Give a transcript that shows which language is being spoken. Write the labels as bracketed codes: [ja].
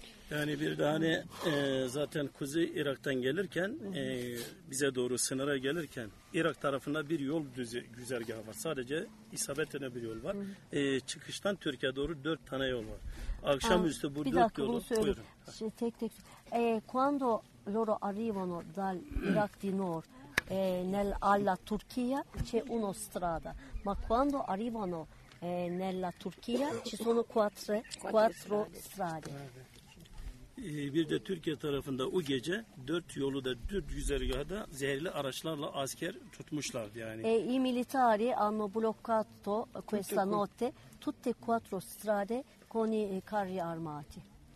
[tr] Yani bir de hani zaten Kuzey Irak'tan gelirken bize doğru sınıra gelirken Irak tarafında bir yol güzergahı var. Sadece isabet eden bir yol var. Çıkıştan Türkiye'ye doğru 4 tane yol var. Akşamüstü bu 4 yolu. Buyurun. Tek. [it] Quando loro arrivano dal Iraq di nord alla Turchia c'è uno strada. Ma quando arrivano nella Turchia ci sono quattro strade. [tr] Bir de Türkiye tarafında o gece 4 yolu da 4 güzergahda zehirli araçlarla asker tutmuşlardı yani. [it] I militari hanno bloccato questa notte tutte quattro strade con i carri armati.